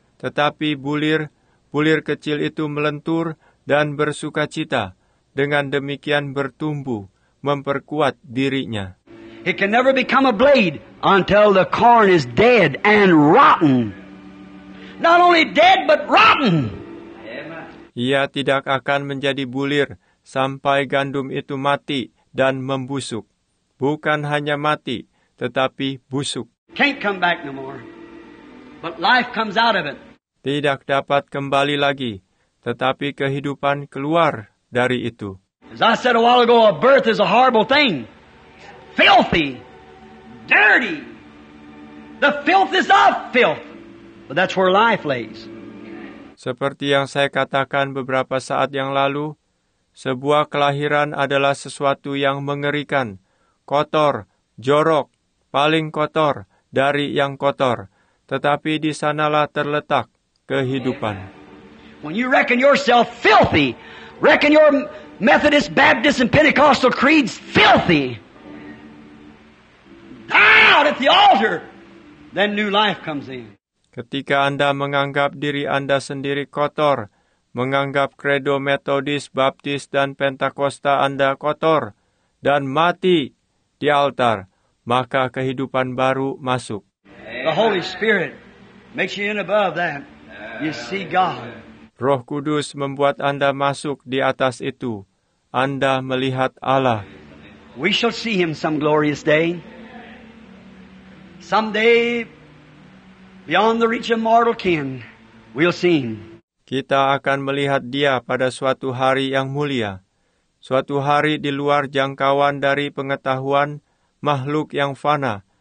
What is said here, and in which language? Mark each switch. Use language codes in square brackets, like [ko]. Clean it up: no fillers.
[id] Tetapi bulir kecil itu melentur dan bersukacita. Dengan demikian bertumbuh, memperkuat dirinya. [en] It can never become a blade until the corn is dead and rotten. Not only dead, but rotten. [id] Ia tidak akan menjadi bulir sampai gandum itu mati dan membusuk. Bukan hanya mati, tetapi busuk. [en] Can't come back no more. But life comes out of it. [id] Tidak dapat kembali lagi, tetapi kehidupan keluar dari itu. [en] As I said a while ago, a birth is a horrible thing. Filthy. Dirty. The filth is of filth. But that's where life lays. [id] Seperti yang saya katakan beberapa saat yang lalu, sebuah kelahiran adalah sesuatu yang mengerikan, kotor, jorok, paling kotor dari yang kotor. Tetapi di sanalah terletak kehidupan. [en] When you reckon yourself filthy, reckon your Methodist, Baptist, and Pentecostal creeds filthy, die out at the altar, then new life comes in. [id] Ketika Anda menganggap diri Anda sendiri kotor, menganggap credo Methodist, Baptist, dan Pentakosta Anda kotor, dan mati di altar, maka kehidupan baru masuk. [en] The Holy Spirit makes you in above that. You see God. [id] Roh Kudus membuat Anda masuk di atas itu. Anda melihat Allah. [en] We shall see Him some glorious day. Someday, beyond the reach of mortal ken, we'll see Him. [id] Kita akan melihat Dia pada suatu hari yang mulia. Suatu hari di luar jangkauan dari pengetahuan makhluk yang fana.